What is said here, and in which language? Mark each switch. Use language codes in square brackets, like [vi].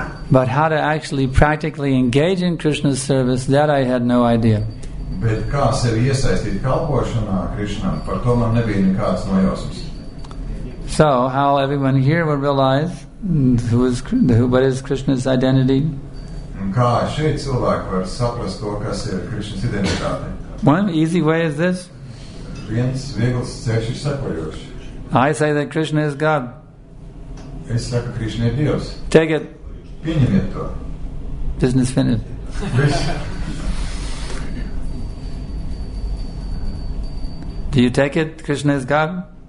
[en] But how to actually practically engage in Krishna's service, that I had no idea. [lv] Bet kā sevi iesaistīt kalpošanā Krišnam, par to man nebija nekādas nojausmas. [en] So, how everyone here would realize what is Krishna's identity? [lv] Un kā šeit cilvēki var saprast to, kas ir Krišnas identitāte? [en] One easy way is this. [lv] Viens vieglas ceļš ir sekojošs. [en] I say that Krishna is God. [lv] Es saku, Krišna ir Dievs. [en] Take it. [lv] Pieņemiet to. [en] Business finished. Do you take it, Krishna is God?